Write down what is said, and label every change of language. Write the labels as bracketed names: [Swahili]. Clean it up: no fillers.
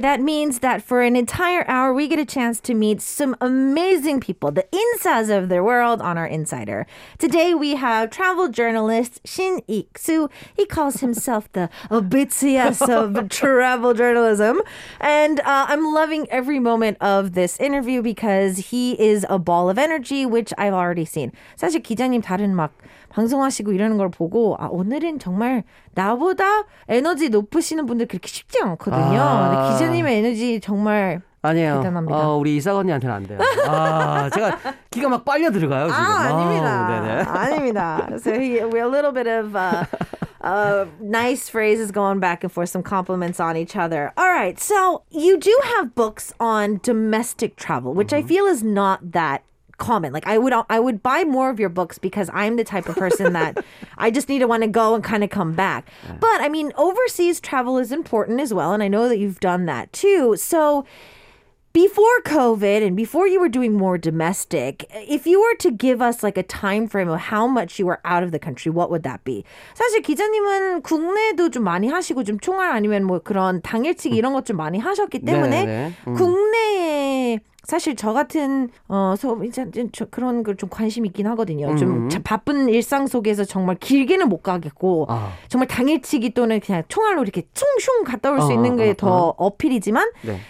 [English] That means that for an entire hour, we get a chance to meet some amazing people, the insas of their world on our Insider. Today, we have travel journalist Shin Ik-su. He calls himself the Obitsias of travel journalism. And I'm loving every moment of this interview because he is a ball of energy, which I've already seen. [Korean] 사실 기자님 다른 막 방송하시고 이러는 걸 보고 아 오늘은 정말 나보다 에너지 높으시는 분들 그렇게 쉽지 않거든요. 아... 기자님의 에너지 정말 아니에요. 대단합니다. 아, 우리 이사건이한테는 안 돼요. 아, 제가 기가 막 빨려 들어가요 지금. 아, 아닙니다. 아, 아닙니다. [English] So we're a little bit of nice phrases going back and forth, some compliments on each other. All right, so you do have books on domestic travel, which mm-hmm. I feel is not that common. Like I would buy more of your books because I'm the type of person that I just need to want to go and kind of come back. Yeah. But I mean, overseas travel is important as well. And I know that you've done that too. So before COVID and before you were doing more domestic, if you were to give us like a time frame of how much you were out of the country, what would that be? [Korean] 사실 기자님은 국내도 좀 많이 하시고 좀 총알 아니면 뭐 그런 당일치기 이런 것 좀 많이 하셨기 때문에 국내에 사실 저 같은 소비자들 그런 걸 좀 관심 있긴 하거든요. 좀 바쁜 일상 속에서 정말 길게는 못 가겠고 정말 당일치기 또는 그냥 총알로 이렇게 총슝 갔다 올 수 있는 게 더 어필이지만 네.